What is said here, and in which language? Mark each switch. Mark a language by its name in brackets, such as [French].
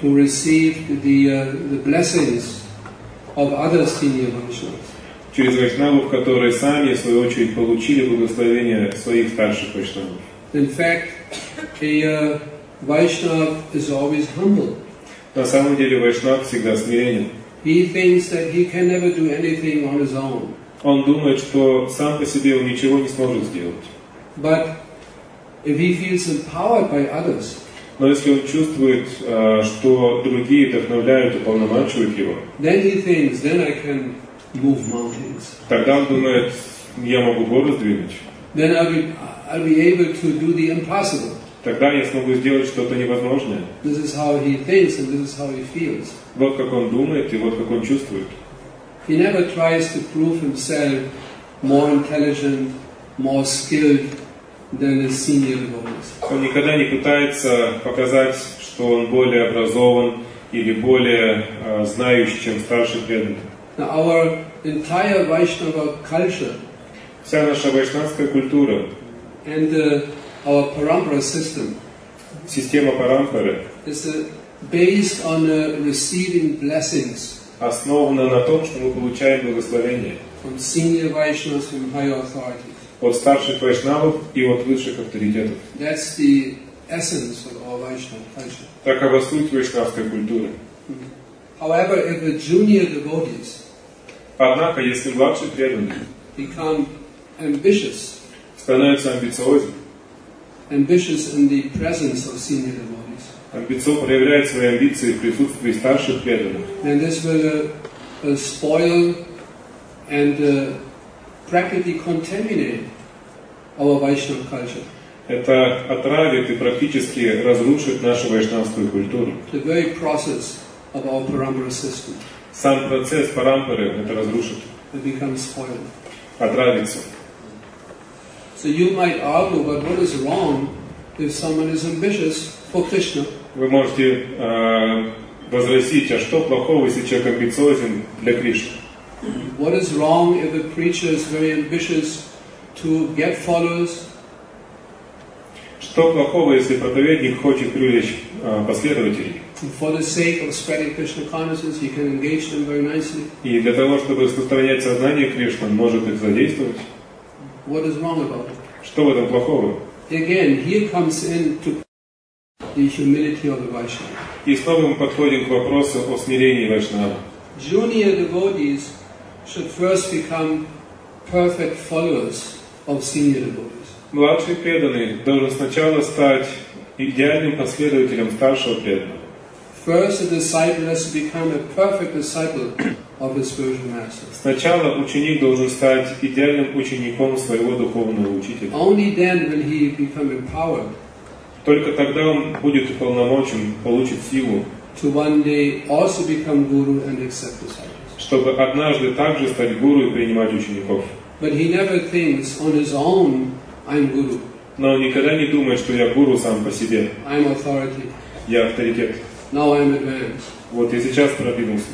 [English] Who received the blessings of other senior Vaishnavas. [Russian] Через вайшнавов, которые сами, в свою очередь, получили благословение своих старших вайшнавов. [English] In fact, a Vaishnav is always humble. [Russian] На самом деле, вайшнав всегда смиренен. [English] He thinks that he can never do anything on his own. [Russian] Он думает, что сам по себе он ничего не сможет сделать. [English] But if he feels empowered by others, [Russian] но если он чувствует, что другие вдохновляют и уполномачивают его, [English] then he thinks, then I can move mountains. [Russian] Тогда он думает, я могу горы сдвинуть. [English] Then I'll be able to do the impossible. [Russian] Тогда я смогу сделать что-то невозможное. [English] This is how he thinks and this is how he feels. [Russian] Вот как он думает и вот как он чувствует. [English] He never tries to prove himself more intelligent, more skilled than his senior devotees. [Russian] Он никогда не пытается показать, что он более образован или более знающий, чем старший преданный. [English] Our entire Vaishnava culture. [Russian] Вся наша вайшнавская культура. [English] And our parampara system. [Russian] Система парампары. [English] Is based on receiving blessings. [Russian] Основано на том, что мы получаем благословение [English] from senior Vaishnavas, from higher authorities. [Russian] От старших вайшнавов и от высших авторитетов. [English] That's the essence of our Vaishnava culture. [Russian] Такова суть вайшнавской культуры. [English] However, if the junior devotees, [Russian] однако, если младший преданный [English] become ambitious, [Russian] становится амбициозным, [English] ambitious in the presence of senior devotees, [Russian] амбицион проявляет свои амбиции в присутствии старших преданных, [English] then this will spoil and practically contaminate our Vaishnava culture. [Russian] Это отравит и практически разрушит нашу вайшнавскую культуру. [English] The very process of our parampara system. [Russian] Сам процесс парампары это разрушит. [English] It becomes spoiled. [Russian] Отравится. [English] So you might argue, but what is wrong if someone is ambitious for Krishna? [Russian] Вы можете возразить, а что плохого, если человек амбициозен для Кришны? [English] What is wrong if a preacher is very ambitious to get followers? [Russian] Что плохого, если проповедник хочет привлечь последователей? [English] For the sake of spreading Krishna consciousness, you can engage them very nicely. [Russian] И для того, чтобы распространять сознание Кришны, он может их задействовать. [English] What is wrong about it? [Russian] Что в этом плохого? [English] Again, here comes in to the humility of the Vaishnava. [Russian] И снова мы подходим к вопросу о смирении Вайшнава. [English] Junior devotees should first become perfect followers of senior devotees. [Russian] Младший преданный должен сначала стать идеальным последователем старшего преданного. [English] First, a disciple has to become a perfect disciple of his spiritual master. [Russian] Сначала ученик должен стать идеальным учеником своего духовного учителя. [English] Only then will he become empowered. [Russian] Только тогда он будет уполномочен, получит силу. [English] To one day also become guru and accept disciples. [Russian] Чтобы однажды также стать гуру и принимать учеников. [English] But he never thinks on his own, I'm guru. [Russian] Но он никогда не думает, что я гуру сам по себе. [English] I'm authority. [Russian] Я авторитет. [English] Now I'm advanced. [Russian] Вот я сейчас продвинулся.